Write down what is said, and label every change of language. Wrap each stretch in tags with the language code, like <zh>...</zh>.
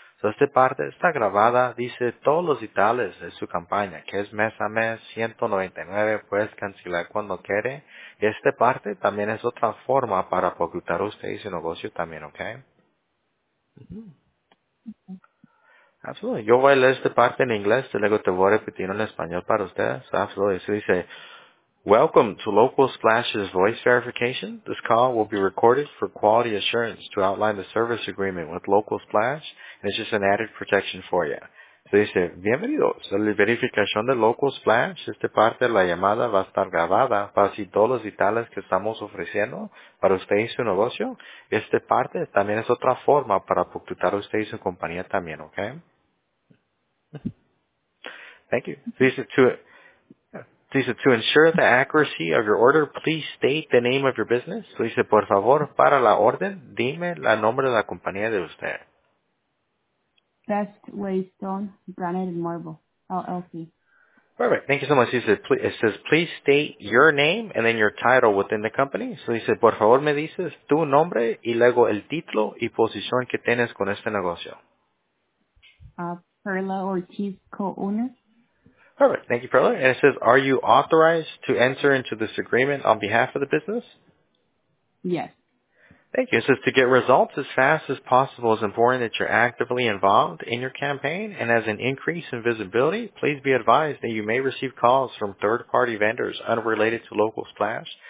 <es>So, esta parte está grabada, dice todos los detalles de su campaña, que es mes a mes, 199, puedes cancelar cuando quiere. Y esta parte también es otra forma para ocultar usted y su negocio también, ¿ok? Mm-hmm. Absolutamente. Yo voy a leer esta parte en inglés y luego te voy a repetir en español para ustedes. Absolutamente. Se dice,</es> <en>welcome to Local Splash's voice verification. This call will be recorded for quality assurance to outline the service agreement with Local Splash. And it's just an added protection for you.</en> <es>Se dice, bienvenidos a la verificación de Local Splash. Esta parte de la llamada va a estar grabada para así todos los detalles que estamos ofreciendo para usted y su negocio. Esta parte también es otra forma para facturar usted y su compañía también, ¿ok?</es> <en>Thank you.</en> <es>Dice,</es> <en>to ensure the accuracy of your order, please state the name of your business.</en> <es>So dice, por favor, para la orden, dime el nombre de la compañía de usted.</es> <en>Best Way Stone, Granite and Marble, LLC. Perfect. Thank you so much. It says, please state your name and then your title within the company. So he said,</en> <es>por favor, me dices tu nombre y luego el título y posición que tienes con este negocio.</es> <en>Perla Ortiz, co-owner. Perfect. Thank you, Perla. And it says, are you authorized to enter into this agreement on behalf of the business? Yes. Thank you. It says to get results as fast as possible, it's important that you're actively involved in your campaign. And as an increase in visibility, please be advised that you may receive calls from third-party vendors unrelated to Local Splash.</en>